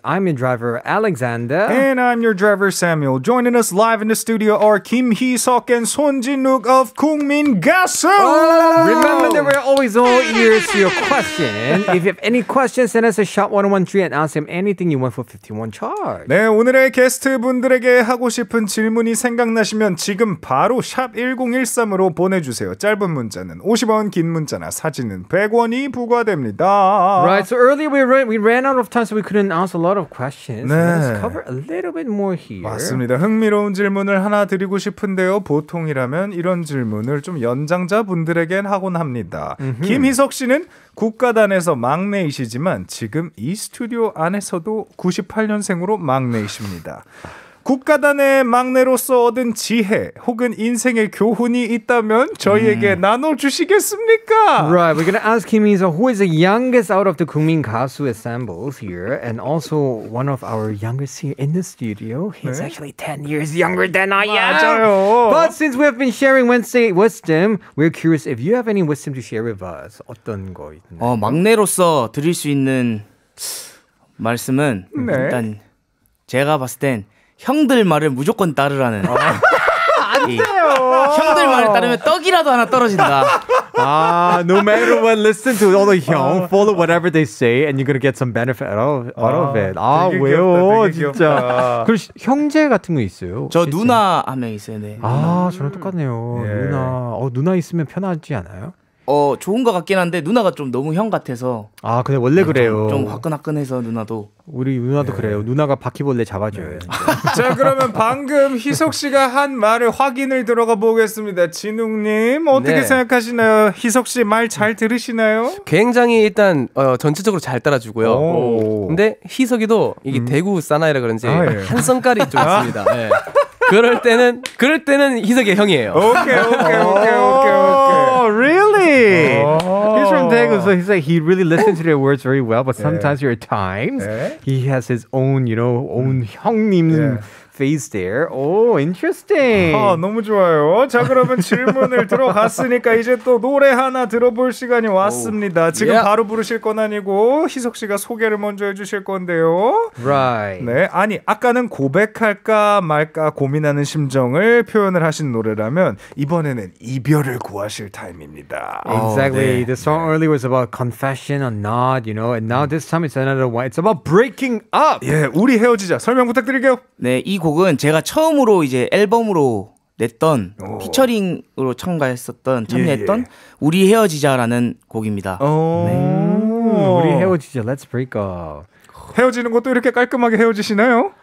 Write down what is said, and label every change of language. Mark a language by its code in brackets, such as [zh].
[en] I'm your driver, Alexander. And I'm your driver, Samuel. Joining us live in the studio are Kim Hee-seok and Son Jin-wook of 국민가수. Remember that we're always all ears to your question. If you have any questions, send us a shot 1013 and ask him anything you want for 51 charge. [ko] 네, 오늘의 게스트분들에게 하고 싶은 질문이 생각나시면 지금 바로 샵 1013으로 보내주세요. 짧은 문자는 50원, 긴 문자나 사진은 100원이 부과됩니다. [en] Right, so earlier we ran out of time, so we couldn't ask a lot of questions. [ko] 네. [en] Let's cover a little bit more here. [ko] 맞습니다. 흥미로운 질문을 하나 드리고 싶은데요. 보통이라면 이런 질문을 좀 연장자분들에겐 하곤 합니다. 김희석 씨는 국가단에서 막내이시지만 지금 이 스튜디오 안에서도 98년생으로 막내이십니다. 국가단의 막내로서 얻은 지혜 혹은 인생의 교훈이 있다면 저희에게 나눠주시겠습니까? [en] Right, we're going to ask Kim Hee-seok, who is the youngest out of the 국민 가수 ensemble here and also one of our youngest here in the studio. He's [ko] 네? [en] actually 10 years younger than I [ko] 맞아요. [en] am. But since we have been sharing Wednesday wisdom, we're curious if you have any wisdom to share with us. [ko] 어떤 거 있나요? 막내로서 드릴 수 있는 말씀은 네. 일단 제가 봤을 땐 형들 말을 무조건 따르라는. 안 돼요. 형들 말을 따르면 떡이라도 하나 떨어진다. [en] 아, no matter what, listen to all the young, follow whatever they say, and you're gonna get some benefit out of it. [ko] 아, 왜요, 귀엽다, 진짜. 그리고 형제 같은 거 있어요? 혹시? 저 누나 한 명 있어요, 네. 아, 저랑 똑같네요. 예. 누나, 누나 있으면 편하지 않아요? 좋은 것 같긴 한데 누나가 좀 너무 형 같아서. 아, 근데 원래 그래요. 좀 화끈화끈해서 누나도. 우리 누나도 네. 그래요. 누나가 바퀴벌레 잡아줘요. 네. 자, 그러면 방금 희석 씨가 한 말을 확인을 들어가 보겠습니다. 진욱님, 어떻게 네. 생각하시나요? 희석 씨 말 잘 들으시나요? 굉장히 일단 전체적으로 잘 따라주고요. 오. 근데 희석이도 이게 대구 사나이라 그런지 아, 예. 한 성깔이 좀 있습니다. 네. 그럴 때는 희석이 형이에요. 오케이. [en] Really? He's from Daegu, so he's like he really listens to their words very well. But sometimes there are times he has his own, you know, own 형님 face there. Oh, interesting. [ko] 아, 너무 좋아요. 자, 그러면 질문을 들어갔으니까 이제 또 노래 하나 들어볼 시간이 왔습니다. 지금 바로 부르실 건 아니고 희석 씨가 소개를 먼저 해주실 건데요. [en] Right. [ko] 네, 아니 아까는 고백할까 말까 고민하는 심정을 표현을 하신 노래라면 이번에는 이별을 구하실 타임입니다. [en] Exactly. Oh, [ko] 네. [en] The song earlier was about confession or not, you know, and now this time it's another one. It's about breaking up. [ko] 예, 우리 헤어지자. 설명 부탁드릴게요. 네. 이 곡은 제가 처음으로 이제 앨범으로 냈던 피처링으로 참여했던 우리 헤어지자라는 곡입니다. 우리 헤어지자, [en] Let's Break Up. [ko] 헤어지는 것도 이렇게 깔끔하게 헤어지시나요?